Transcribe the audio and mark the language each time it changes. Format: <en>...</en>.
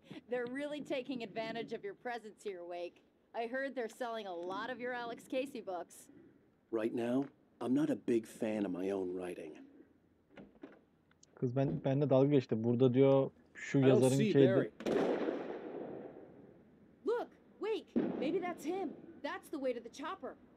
<en>They're really taking advantage of your presence here, Wake. I heard they're selling a lot of your Alex Casey books. Right now, I'm not a big fan of my own writing.</en> <tr>Kız ben de dalga geçti. Burada diyor şu yazarın şeydi.</tr> <en>Look, Wake, maybe that's him. That's the way to the chopper.</en>